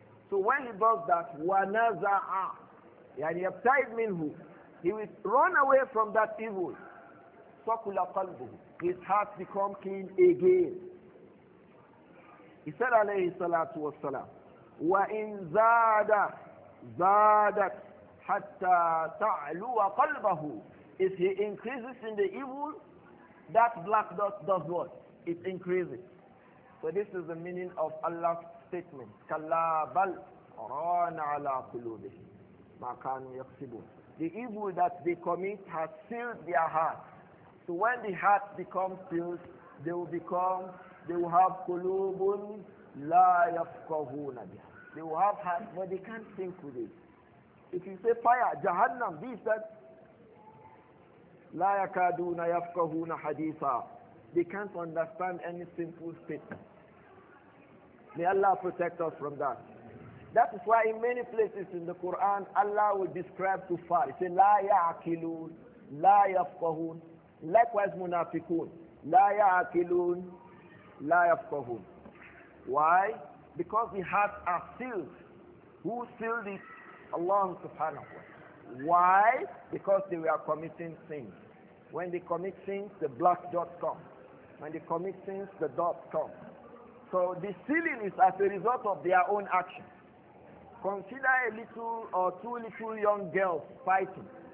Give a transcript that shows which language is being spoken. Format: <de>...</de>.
<en>So when he does that,</en> <ar>وَنَزَعَ, يَعْنِ يَبْتَعِدْ مِنْهُ,</ar> <en>he will run away from that evil.</en> <ar>صَقُلَ قَلْبُهُ,</ar> <en>his heart become clean again. He said,</en> <ar>عليه الصلاة والسلام, وَإِنْ زَادَ, زَادَتْ حَتَّى تَعْلُوَ قَلْبَهُ.</ar> <en>If he increases in the evil, that black dot does what? It increases. So this is the meaning of Allah's statement.</en> <ar>كَلَّا بَلْ رَانَ عَلَىٰ قُلُوبِهِمْ مَا كَانُوا يَكْسِبُونَ.</ar> <en>The evil that they commit has sealed their heart. So when the heart becomes sealed, they will have</en> <ar>قُلُوبٌ لَا يَفْقَهُونَ بِهَا.</ar> <en>They will have hearts, but they can't think with it. If you say fire, Jahannam, be said,</en> <ar>لَا يَكَادُونَ يَفْقَهُونَ حَدِيثًا.</ar> <en>They can't understand any simple statement. May Allah protect us from that. That is why in many places in the Quran, Allah will describe kuffar. He said,</en> <ar>لَا يَعْقِلُونَ لَا يَفْقَهُونَ.</ar> <en>Likewise,</en> <ar>مُنَافِقُونَ لَا يَعْقِلُونَ لَا يَفْقَهُونَ.</ar> <en>Why? Because the hearts are sealed. Who sealed it? Allah subhanahu wa ta'ala. Why? Because they were committing sins. When they commit sins, the black dot comes. When they commit sins, the dot comes. So the sealing is as a result of their own action. Consider a little or two little young girls fighting.</en>